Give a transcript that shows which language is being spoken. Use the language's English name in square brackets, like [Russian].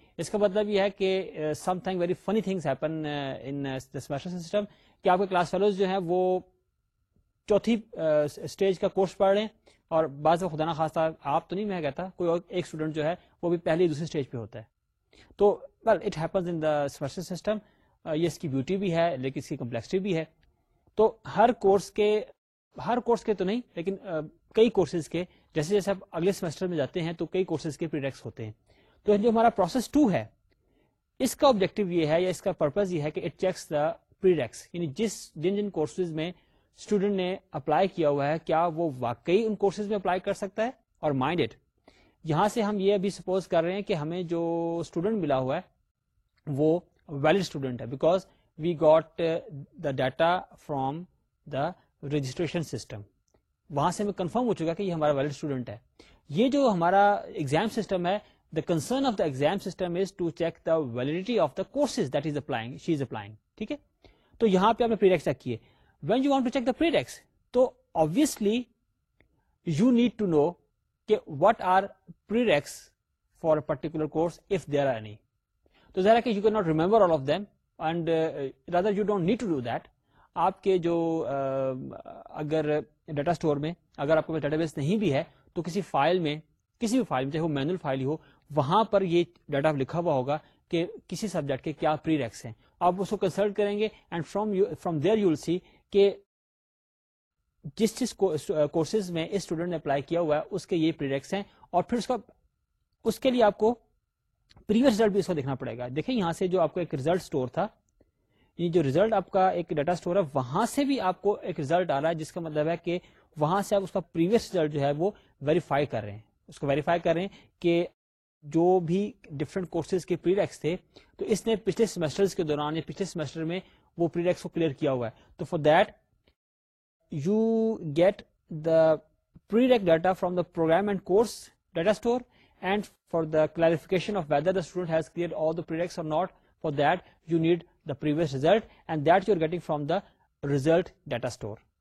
[Urdu] اس کا مطلب یہ ہے کہ [English] something very funny things happen in the semester system, [Urdu] کہ آپ کے کلاس فیلوز جو ہیں وہ چوتھی اسٹیج کا کورس پڑھ رہے ہیں اور بعض خدا نہ خاصتا آپ تو نہیں, میں کہتا کوئی اور ایک اسٹوڈنٹ جو ہے وہ بھی پہلی دوسری اسٹیج پہ ہوتا ہے. [English] تو well it happens in the semester system. [Urdu] یہ اس کی بیوٹی بھی ہے لیکن اس کی کمپلیکسٹی بھی ہے. تو ہر کورس کے تو نہیں لیکن کئی کورسز کے, جیسے جیسے آپ اگلے سیمسٹر میں جاتے ہیں تو کئی کورسز کے پری ریکس ہوتے ہیں. تو جو ہمارا پروسیس 2 ہے اس کا آبجیکٹو یہ ہے یا اس کا پرپز یہ ہے کہ [English] it checks the prereqs, [Urdu] یعنی جن کورسز میں اسٹوڈنٹ نے اپلائی کیا ہوا ہے کیا وہ واقعی ان کورسز میں اپلائی کر سکتا ہے. اور [English] mind it, [Urdu] یہاں سے ہم یہ ابھی سپوز کر رہے ہیں کہ ہمیں جو اسٹوڈنٹ ملا ہوا ہے وہ ویلڈ اسٹوڈنٹ ہے [English] because we got the data from the registration system, [Urdu] وہاں سے ہمیں کنفرم ہو چکا کہ یہ ہمارا ویلڈ اسٹوڈنٹ ہے. یہ جو ہمارا ایگزام سسٹم ہے, [English] the concern of the exam system is to check the validity of the courses that she is applying. [Urdu] ٹھیک ہے, تو یہاں پہ آپ نے پری ریکس چیک کیے. [English] When you want to check the prereqs تو obviously you need to know کہ what are prereqs for a particular course if there are any. [Urdu] تو ظاہر ہے کہ [English] You can not remember all of them and rather you don't need to do that. [Urdu] آپ کے جو اگر data store میں اگر آپ کے پاس ڈیٹا بیس نہیں بھی ہے تو کسی فائل میں, کسی بھی فائل میں چاہے وہ مینوئل فائل ہی ہو, وہاں پر یہ ڈیٹا لکھا ہوا ہوگا کہ کسی سبجیکٹ کے کیا پری ریکس ہیں. آپ اس کو کنسلٹ کریں گے [English] and from there you will see [Urdu] کہ جس کورسز میں اس اسٹوڈنٹ نے اپلائی کیا ہوا ہے اس کے یہ پری ریکس ہیں, اور پھر اس کے لیے آپ کو پریویس ریزلٹ بھی اس کو دیکھنا پڑے گا. دیکھیں یہاں سے جو آپ کو ایک ریزلٹ اسٹور تھا, یہ جو ریزلٹ آپ کا ایک ڈیٹا اسٹور ہے وہاں سے بھی آپ کو ایک ریزلٹ آ رہا ہے, جس کا مطلب ہے کہ وہاں سے آپ اس کا پریویس ریزلٹ جو ہے وہ ویریفائی کر رہے ہیں, اس کو ویریفائی کر رہے ہیں کہ جو بھی ڈفرنٹ کورسز کے پری ریکس تھے تو اس نے پچھلے سیمسٹر کے دوران یا پچھلے سیمسٹر میں وہ پری ریکس کو کلیئر کیا ہوا ہے. [English] تو for that you get the prereq data from the program and course data store, and for the clarification of whether the student has clear all the prereqs or not, for that you need the previous result and that you are getting from the result data store.